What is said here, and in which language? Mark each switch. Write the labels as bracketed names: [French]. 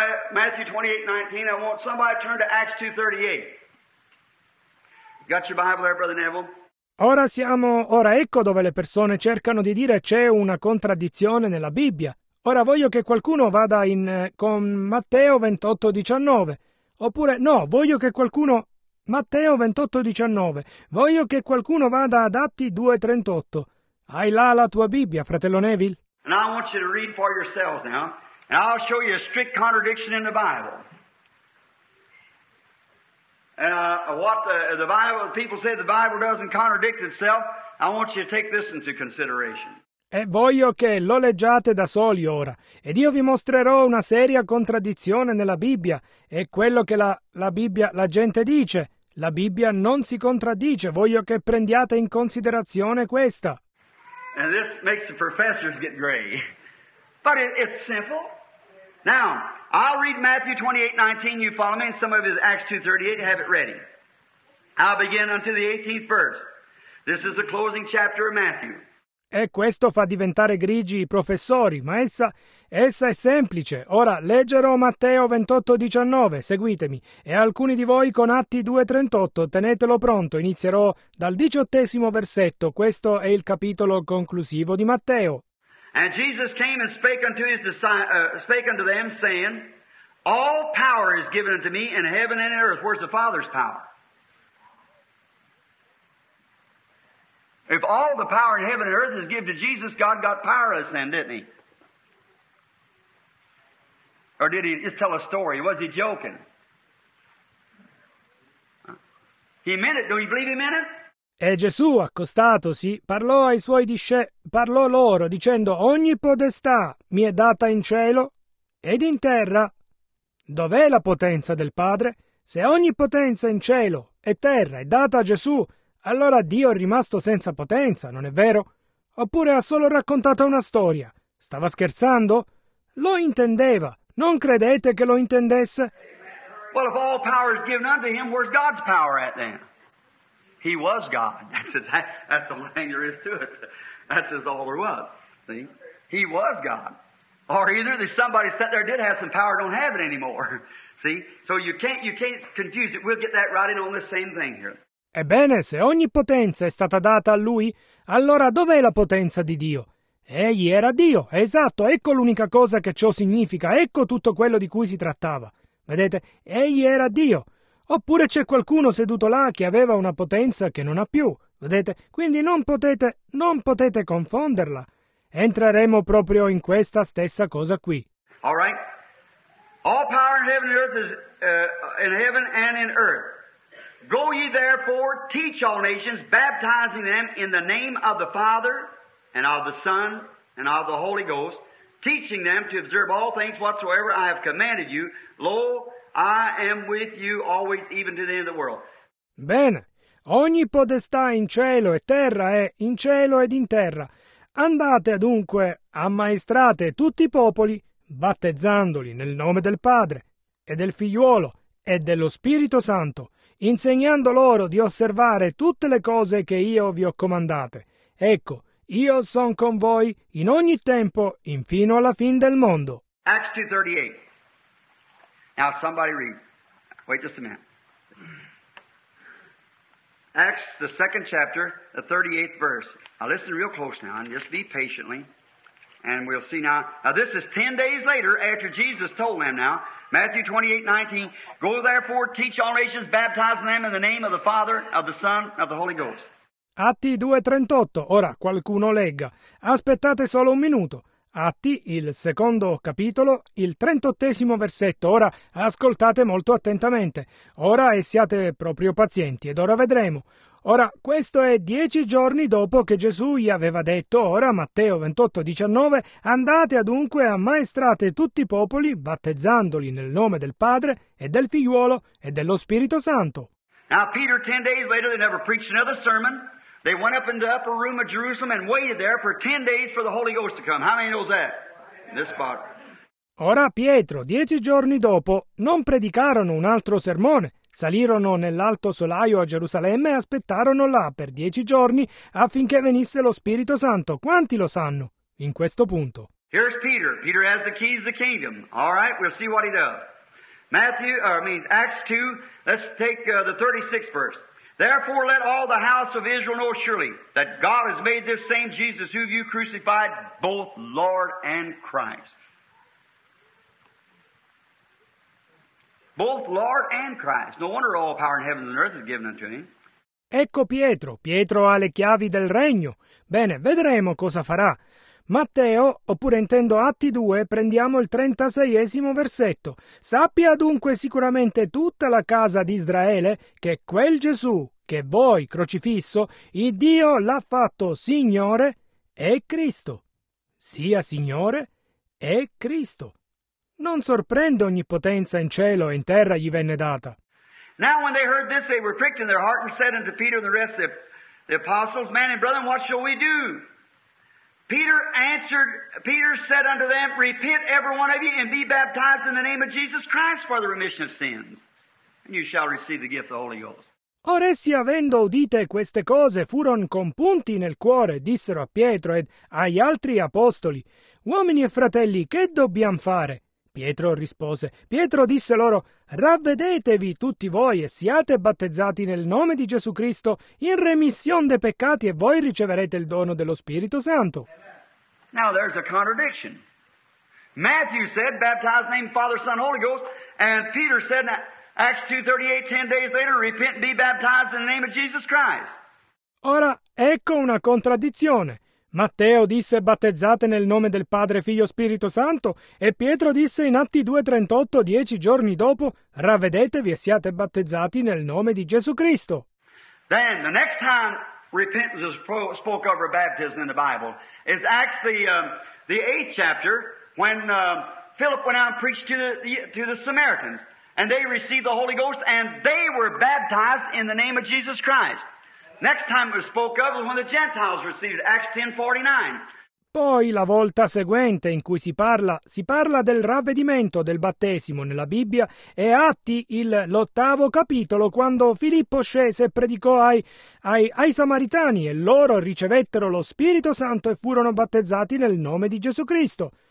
[English] I want somebody to turn to Acts 2:38. Got your Bible there, Brother Neville? [Italian] Ora ecco dove le persone cercano di dire c'è una contraddizione nella Bibbia. Ora voglio che qualcuno vada in con Matteo 28:19. Oppure no, voglio che qualcuno Matteo 28:19. Voglio che qualcuno vada ad Atti 2:38. Hai là la tua Bibbia, fratello Neville? [English] And I want you to read for yourselves now, and I'll show you a strict contradiction in the Bible. And the Bible, people say the Bible doesn't contradict itself. I want you to take this into consideration. [Italian] E voglio che lo leggiate da soli ora, ed io vi mostrerò una seria contraddizione nella Bibbia, e quello che la Bibbia, la gente dice. La Bibbia non si contraddice, voglio che prendiate in considerazione questa. [English] And this makes the professors get gray. But it's simple. Now, I'll read Matthew 28:19, you follow me, and some of it is Acts 2:38, have it ready. I'll begin until the 18th verse. This is the closing chapter of Matthew. [Italian] E questo fa diventare grigi i professori, ma essa è semplice. Ora leggerò Matteo 28:19, seguitemi, e alcuni di voi con Atti 2:38, tenetelo pronto, inizierò dal 18 versetto, questo è il capitolo conclusivo di Matteo. [English] And Jesus came and spake unto them, saying, all power is given unto me in heaven and in earth. Where's the Father's power? If all the power in heaven and earth is given to Jesus, God got powerless then, didn't he? Or did he just tell a story? Was he joking? He meant it. Don't you believe he meant it? [Italian] E Gesù, accostatosi, parlò ai suoi parlò loro, dicendo, ogni potestà mi è data in cielo ed in terra. Dov'è la potenza del Padre? Se ogni potenza in cielo e terra è data a Gesù, allora Dio è rimasto senza potenza, non è vero? Oppure ha solo raccontato una storia? Stava scherzando? Lo intendeva. Non credete che lo intendesse? [English] Well, if all power is given unto him, where's God's power at then? He was God. That's the thing there is to it. That's just all there was. See? He was God. Or either somebody sat there did have some power, don't have it anymore. See? So you can't confuse it. We'll get that right in on the same thing here. [Italian] Ebbene, se ogni potenza è stata data a Lui, allora dov'è la potenza di Dio? Egli era Dio, esatto, ecco l'unica cosa che ciò significa, ecco tutto quello di cui si trattava. Vedete, Egli era Dio. Oppure c'è qualcuno seduto là che aveva una potenza che non ha più, vedete, quindi non potete confonderla. Entreremo proprio in questa stessa cosa qui. [English] All right. All power in heaven and earth is in heaven and in earth. Go ye therefore, teach all nations, baptizing them in the name of the Father, and of the Son, and of the Holy Ghost, teaching them to observe all things whatsoever I have commanded you. Lo, I am with you always, even to the end of the world. [Italian] Bene. Ogni potestà in cielo e terra è in cielo ed in terra. Andate dunque, ammaestrate tutti i popoli, battezzandoli nel nome del Padre, e del Figliuolo, e dello Spirito Santo, insegnando loro di osservare tutte le cose che io vi ho comandate. Ecco, io sono con voi in ogni tempo, infino alla fin del mondo. [English] Acts 2:38. Now somebody read. Wait just a minute. Acts, the second chapter, the 38th verse. Now listen real close now and just be patiently. And we'll see now. Now this is 10 days later after Jesus told them now. Matthew 28:19. Go therefore, teach all nations, baptizing them in the name of the Father, of the Son, of the Holy Ghost. [Italian] Atti 2:38. Ora qualcuno legga. Aspettate solo un minuto. Atti, il secondo capitolo, il 38° versetto. Ora ascoltate molto attentamente. Ora e siate proprio pazienti, ed ora vedremo. Ora, questo è 10 giorni dopo che Gesù gli aveva detto, ora Matteo 28:19, andate adunque e ammaestrate tutti i popoli, battezzandoli nel nome del Padre e del Figliuolo e dello Spirito Santo. [English] Now Peter, 10 days later, they never preached another sermon. They went up into the upper room of Jerusalem and waited there for 10 days for the Holy Ghost to come. How many knows that? In this spot. [Italian] Ora Pietro, 10 giorni dopo, non predicarono un altro sermone. Salirono nell'alto solaio a Gerusalemme e aspettarono là per 10 giorni affinché venisse lo Spirito Santo. Quanti lo sanno? In questo punto. [English] Here's Peter. Peter has the keys of the kingdom. All right, we'll see what he does. Acts 2, let's take the 36th verse. Therefore let all the house of Israel know surely that God has made this same Jesus whom you crucified both Lord and Christ. Both Lord and Christ. No wonder all power in heaven and earth is given unto him. [Italian] Ecco Pietro. Pietro ha le chiavi del regno. Bene, vedremo cosa farà. Matteo, oppure intendo Atti 2, prendiamo il 36° versetto. Sappia dunque sicuramente tutta la casa di Israele che quel Gesù, che voi crocifisso, il Dio l'ha fatto Signore e Cristo. Sia Signore e Cristo. Non sorprende ogni potenza in cielo e in terra gli venne data. [English] Now when they heard this, they were pricked in their heart and said unto Peter and the rest of the apostles, Man and brethren, what shall we do? Peter said unto them, Repent every one of you and be baptized in the name of Jesus Christ for the remission of sins, and you shall receive the gift of the Holy Ghost. [Italian] Or essi, avendo udite queste cose, furon compunti nel cuore, dissero a Pietro ed agli altri apostoli, Uomini e fratelli, che dobbiamo fare? Pietro rispose. Pietro disse loro, Ravvedetevi tutti voi e siate battezzati nel nome di Gesù Cristo in remission dei peccati e voi riceverete il dono dello Spirito Santo. [English] Now there's a contradiction. Matthew said, Baptize in the name of Father, Son, Holy Ghost. And Peter said, Acts 2:38, 10 days later, Repent and be baptized in the name of Jesus Christ. [Italian] Ora, ecco una contraddizione. Matteo disse battezzate nel nome del Padre, Figlio, Spirito Santo e Pietro disse in Atti 2:38 10 giorni dopo ravvedetevi e siate battezzati nel nome di Gesù Cristo. [English] Then the next time repentance is spoke of baptism in the Bible is Acts the 8th chapter when Philip went out and preached to the Samaritans and they received the Holy Ghost and they were baptized in the name of Jesus Christ. Next time it was spoke of was when the Gentiles received Acts 10:49. [Italian] Poi la volta seguente in cui si parla del ravvedimento del battesimo nella Bibbia è Atti l'ottavo capitolo quando Filippo scese e predicò ai samaritani e loro ricevettero lo Spirito Santo e furono battezzati nel nome di Gesù Cristo.